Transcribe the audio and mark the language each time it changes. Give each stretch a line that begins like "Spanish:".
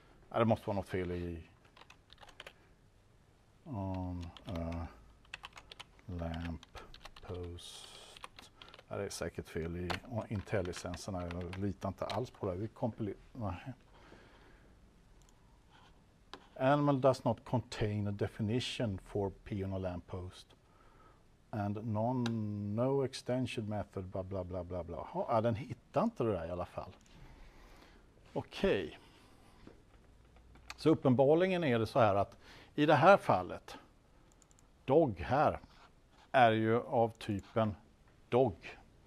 Swedish: Ja, det måste vara något fel i On a Lamp Post. Ja, det är säkert fel i IntelliSenserna. Jag litar inte alls på det. Vi kompilerar.
English: Animal does not contain a definition for pion or lamp post. And no extension method, bla bla bla bla bla.
Swedish: Ja, ah, den hittar inte det där i alla fall. Okej. Okay. Så uppenbarligen är det så här att i det här fallet, dog här, är ju av typen dog.